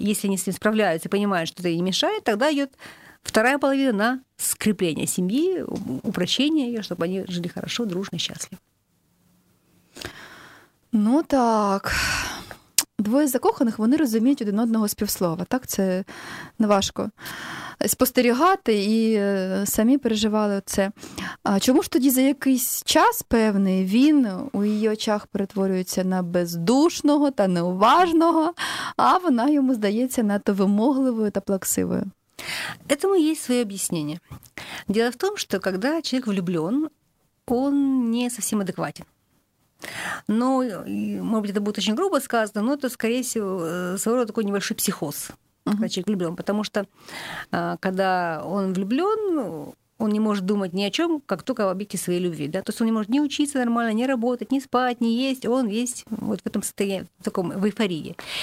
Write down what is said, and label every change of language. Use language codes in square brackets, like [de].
[ru] Если они с ним справляются и понимают, что это не мешает, тогда идет вторая половина на скрепление семьи, упрощение ее, чтобы они жили хорошо, дружно, счастливо. [uk] Ну так, двое закоханих, вони розуміють один одного з півслова, так? Це неважко спостерігати і самі переживали це. А чому ж тоді за якийсь час певний він у її очах перетворюється на бездушного та неуважного, а вона йому здається надто вимогливою та плаксивою? Этому є своє об'яснення. Діло в тому, що коли чоловік влюблен, він не зовсім адекватен. [ru] Ну, может быть, это будет очень грубо сказано, но это, скорее всего, своего рода такой небольшой психоз, когда человек влюблён. Потому что, когда он влюблён, он не может думать ни о чём, как только об объекте своей любви. Да? То есть он не может ни учиться нормально, ни работать, ни спать, ни есть. Он весь вот в этом состоянии, в таком, в эйфории.